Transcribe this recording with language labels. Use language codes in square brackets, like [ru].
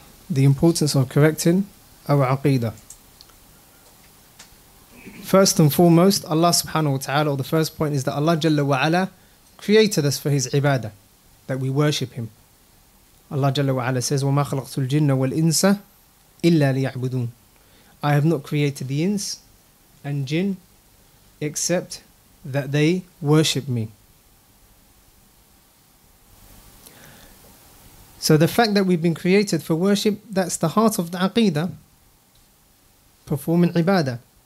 [en] The importance of correcting our Aqeedah. First and foremost, Allah subhanahu wa ta'ala, or the first point is that Allah jalla wa ala created us for His ibadah, that we worship Him. [ar] Allah jalla wa ala says, وَمَا خَلَقْتُ الْجِنَّ وَالْإِنسَ إِلَّا لِيَعْبُدُونَ. [en] I have not created the ins and jinn except that they worship me. So the fact that we've been created for worship, that's the heart of the aqeedah, performing ibadah.